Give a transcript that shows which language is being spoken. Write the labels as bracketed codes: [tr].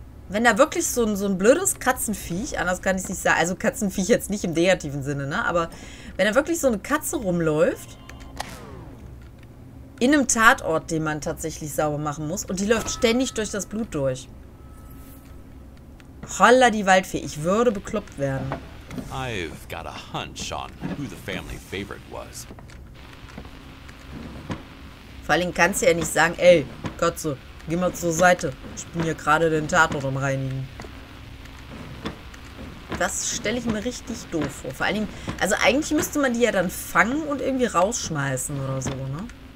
[de] Wenn da wirklich so ein blödes Katzenviech, anders kann ich es nicht sagen, also Katzenviech jetzt nicht im negativen Sinne, ne? Aber wenn da wirklich so eine Katze rumläuft, in einem Tatort, den man tatsächlich sauber machen muss, und die läuft ständig durch das Blut durch. Holla die Waldfee, ich würde bekloppt werden. [en] I've got a hunch on who the family favorite was. [de] Vor allem kannst du ja nicht sagen, ey, Katze. Geh mal zur Seite. Ich bin hier gerade den Tatort am Reinigen. Das stelle ich mir richtig doof vor. Vor allen Dingen, also eigentlich müsste man die ja dann fangen und irgendwie rausschmeißen oder so, ne?